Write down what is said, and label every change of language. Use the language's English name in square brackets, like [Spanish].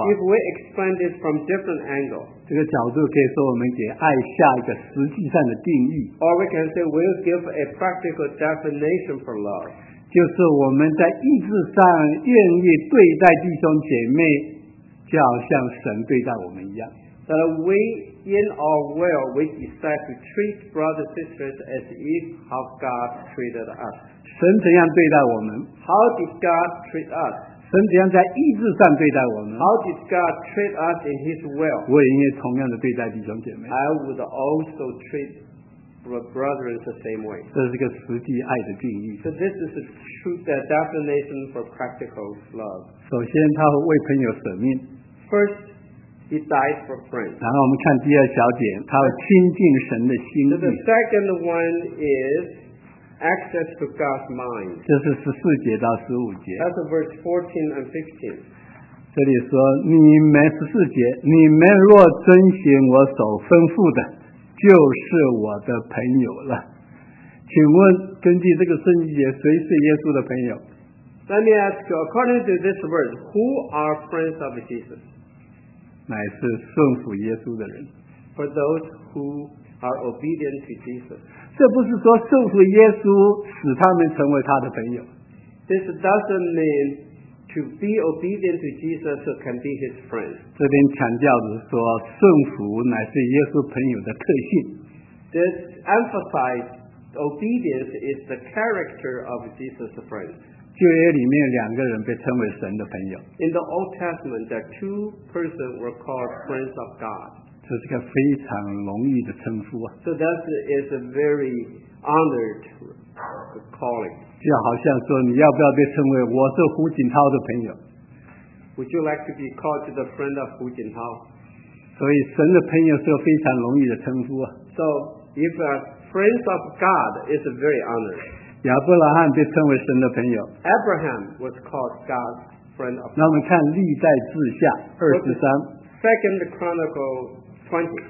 [English] If we expand it from different angle, [Chinese] 这个角度可以说我们给爱下一个实际上的定义， [English] Or we can say we'll give a practical definition for love, [Chinese] 就是我们在意志上愿意对待弟兄姐妹就好像神对待我们一样。 [English] That we in our will we decide to treat brothers and sisters as if how God treated us. [Chinese] 神怎样对待我们？ [English] How did God treat us? [Chinese] 神怎样在意志上对待我们？ [English] How did God treat us in His will? [Chinese] 我也应该同样的对待弟兄姐妹。 [English] I would also treat brothers the same way. [Chinese] 这是个实际爱的定义。 [English] So this is a true definition for practical love. [Chinese] 首先他为朋友舍命。 [English] First, he died for friends. [Chinese] 然后我们看第二小点，他亲近神的心意。 [English] The second one is access to God's mind. [Chinese] 这是十四节到十五节。 [English] That's verse 14 and 15. [Chinese] 这里说，你们十四节，你们若遵行我所吩咐的，就是我的朋友了。请问，根据这个圣经节，谁是耶稣的朋友？ [English] Let me ask you, according to this verse, who are friends of Jesus? [Chinese] 乃是顺服耶稣的人。 [English] For those who are obedient to Jesus. [Chinese] 这不是说顺服耶稣使他们成为他的朋友。 [English] This doesn't mean to be obedient to Jesus can be his friend. [Chinese] 这边强调的是说顺服乃是耶稣朋友的特性。 [English] This emphasizes obedience is the character of Jesus' friend. [Chinese] 旧约里面两个人被称为神的朋友。 [English] In the Old Testament, there are two persons were called friends of God. [Chinese] 这是个非常荣誉的称呼啊。 [English] So that is a very honored calling. [Chinese] 就好像说，你要不要被称为我是胡锦涛的朋友 [English] ？Would you like to be called the friend of 胡锦涛？ [Chinese] 所以神的朋友是个非常荣誉的称呼啊。 [English] So if a friend of God is very honored. [Chinese] 亚伯拉罕被称为神的朋友。 [English] Abraham was called God's friend of God. [Chinese] 那我们看历代志下二十三。 [English] Second Chronicle 20.